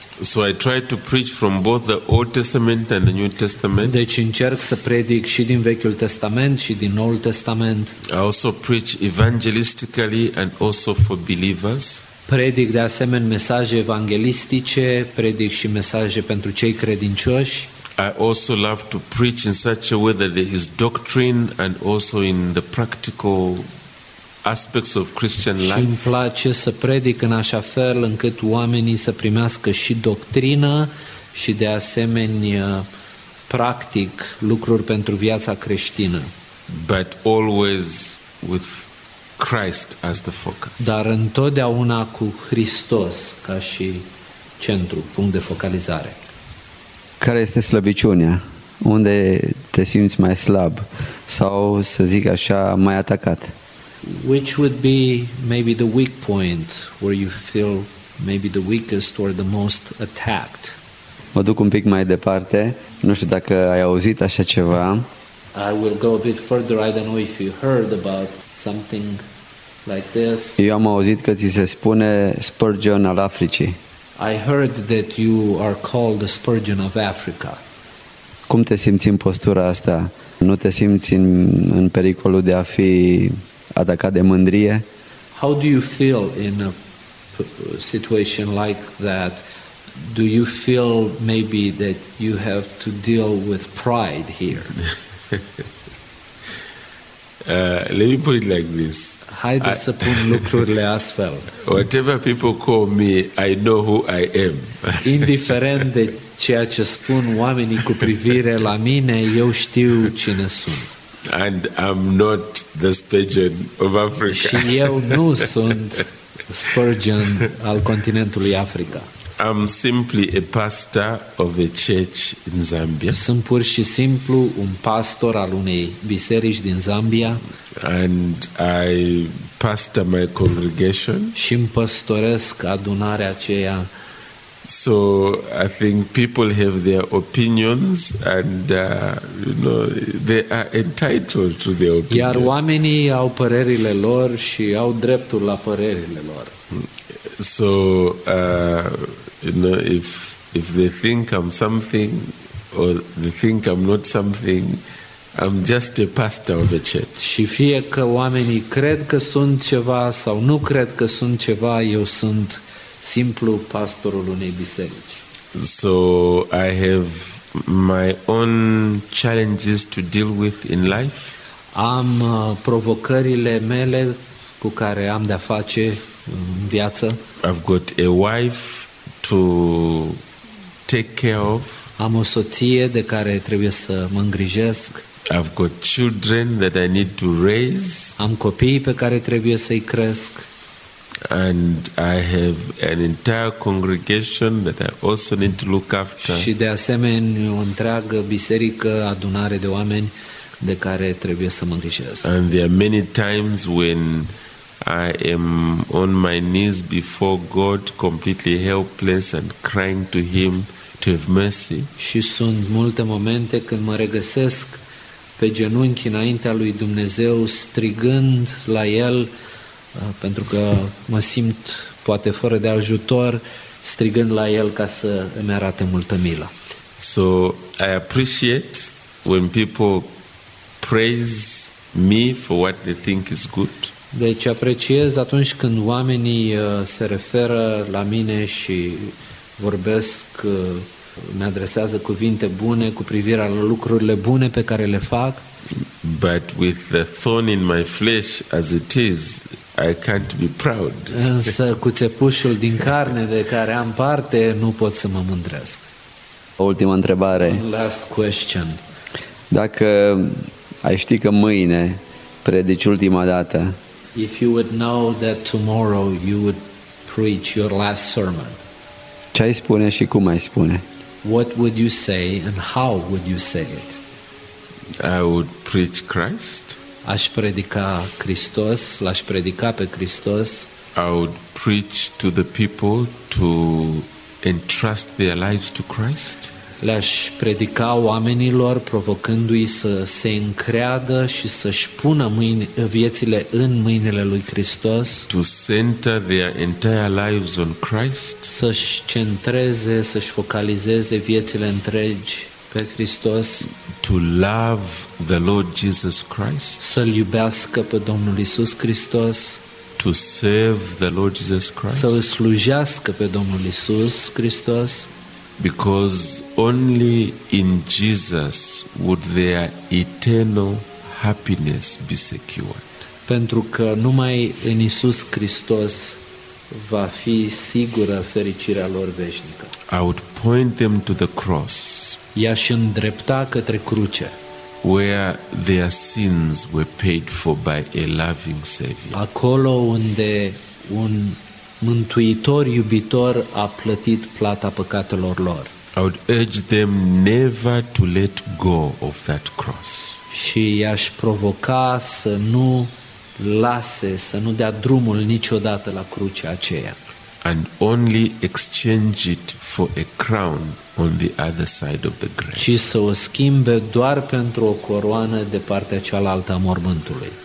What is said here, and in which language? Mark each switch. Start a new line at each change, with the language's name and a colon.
English: So I try to preach from both the Old Testament and the New Testament.
Romanian: Deci încerc să predic și din Vechiul Testament și din Noul Testament.
English: I also preach evangelistically and also for believers.
Romanian: Predic de asemenea mesaje evanghelistice, predic și mesaje pentru cei credincioși.
English: I also love to preach in such a way that there is doctrine and also in the practical aspects of Christian life.
Romanian: Și îmi place să predic în așa fel încât oamenii să primească și doctrină și de asemenea practic lucruri pentru viața creștină.
English: But always with Christ as the focus.
Romanian: Dar întotdeauna cu Hristos ca și centru, punct de focalizare. Care este slăbiciunea? Unde te simți mai slab sau, să zic așa, mai atacat?
English: Which would be maybe the weak point where you feel maybe the weakest or the most attacked?
Romanian: Mă duc un pic mai departe. Nu știu dacă ai auzit așa ceva.
English: I will go a bit further. I don't know if you heard about something like this.
Romanian: Eu am auzit că ți se spune Spurgeon al Africii.
English: I heard that you are called the Spurgeon of Africa.
Romanian: Cum te simți în postura asta? Nu te simți în pericolul de a fi atacat de mândrie?
English: How do you feel in a situation like that? Do you feel maybe that you have to deal with pride here? Let me put it like this.
Romanian: Haide să pun lucrurile astfel.
English: Whatever people call me, I know who I am.
Romanian: Indiferent de ceea ce spun oamenii cu privire la mine, eu știu cine sunt.
English: And I'm not the Spurgeon of Africa.
Romanian: Și eu nu sunt Spurgeon al continentului Africa.
English: I'm simply a pastor of a church in Zambia.
Romanian: Sunt pur și simplu un pastor al unei biserici din Zambia.
English: And I pastor my congregation.
Romanian: Și împăstoresc adunarea aceea.
English: So I think people have their opinions and you know, they are entitled to their opinions.
Romanian: Iar oamenii au părerile lor și au dreptul la părerile lor.
English: So you know, if they think I'm something or they think I'm not something, I'm just a pastor of a church.
Romanian: Și fie că oamenii cred că sunt ceva sau nu cred că sunt ceva, eu sunt simplu pastorul unei biserici.
English: So I have my own challenges to deal with in life.
Romanian: Am provocările mele cu care am de-a face în viață.
English: I've got a wife to take care of.
Romanian: Am o soție de care trebuie să mă îngrijesc.
English: I've got children that I need to raise.
Romanian: Am copii pe care trebuie să-i cresc.
English: And I have an entire congregation that I also need to look after.
Romanian: Și de asemenea o întreagă biserică, adunare de oameni de care trebuie să mă îngrijesc.
English: And there are many times when I am on my knees before God, completely helpless and crying to Him to have mercy.
Romanian: Și sunt multe momente când mă regăsesc pe genunchi înaintea lui Dumnezeu, strigând la El, pentru că mă simt poate fără de ajutor, strigând la El ca să îmi arate multă milă.
English: So I appreciate when people praise me for what they think is good.
Romanian: Deci apreciez atunci când oamenii se referă la mine și vorbesc, mi adresează cuvinte bune cu privire la lucrurile bune pe care le fac.
English: But with the thorn in my flesh as it is, I can't be proud.
Romanian: Însă cu țepușul din carne de care am parte, nu pot să mă mândresc. Ultima întrebare.
English: Last question.
Romanian: Dacă ai ști că mâine predici ultima dată.
English: If you would know that tomorrow you would preach your last sermon.
Romanian: Ce ai spune și cum ai spune?
English: What would you say and how would you say it? I would preach Christ.
Romanian: Aș predica Hristos, l-aș predica pe Hristos.
English: I would preach to the people to entrust their lives to Christ.
Romanian: Le-aș predica oamenilor, provocându-i să se încreadă și să-și pună viețile în mâinile lui Hristos.
English: To center their entire lives on Christ.
Romanian: Să-și centreze, să-și focalizeze viețile întregi pe Hristos.
English: To love the Lord Jesus Christ.
Romanian: Să-L iubească pe Domnul Iisus Hristos.
English: To serve the Lord Jesus Christ.
Romanian: Să-L slujească pe Domnul Iisus Hristos.
English: Because only in Jesus would their eternal happiness be secured.
Romanian: Pentru că numai în Iisus Hristos va fi sigură fericirea lor veșnică.
English: I would point them to the cross.
Romanian: I-aș îndrepta către cruce.
English: Where their sins were paid for by a loving Savior.
Romanian: Acolo unde un Mântuitor iubitor a plătit plata păcatelor lor.
English: I would urge them never to let go of that cross.
Romanian: Și i-aș provoca să nu lase, să nu dea drumul niciodată la crucea aceea.
English: And only exchange it for a crown on the other side of the grave.
Romanian: Și să o schimbe doar pentru o coroană de partea cealaltă a mormântului.